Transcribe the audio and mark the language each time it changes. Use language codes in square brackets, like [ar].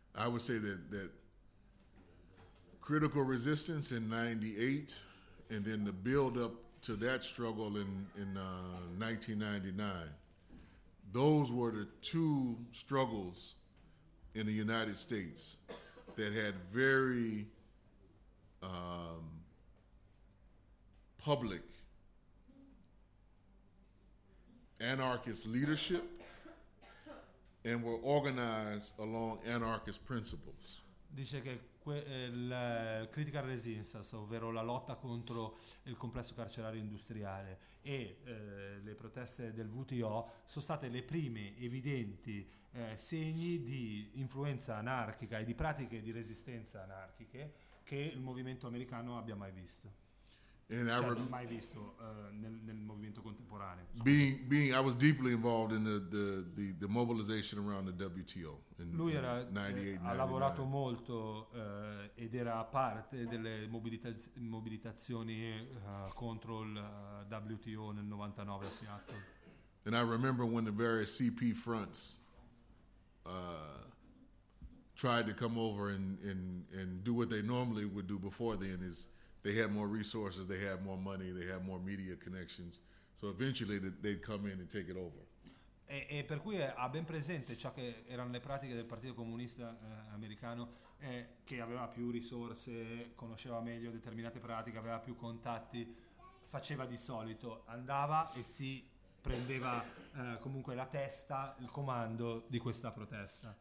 [en] I would say that critical resistance in 98 and then the build up to that struggle in 1999, those were the two struggles in the United States that had very public anarchist leadership and were organized along anarchist principles. [it] Dice che la critical resistance, ovvero la lotta contro il complesso carcerario industriale e le proteste del WTO sono state le prime evidenti segni di influenza anarchica e di pratiche di resistenza anarchiche che il movimento americano abbia mai visto. Mai visto nel movimento contemporaneo. [en] Being I was deeply involved in the mobilization around the WTO in 98, [it] ha lavorato molto ed era parte delle mobilitazioni contro il WTO nel 99 a Seattle. [en] And I remember when the various CP fronts tried to come over and do what they normally would do before then is they had more resources, they had more money, they had more media connections, so eventually they'd come in and take it over. [it] E per cui ha ben presente ciò che erano le pratiche del Partito Comunista americano, che aveva più risorse, conosceva meglio determinate pratiche, aveva più contatti, faceva di solito, andava e si prendeva comunque la testa, il comando di questa protesta.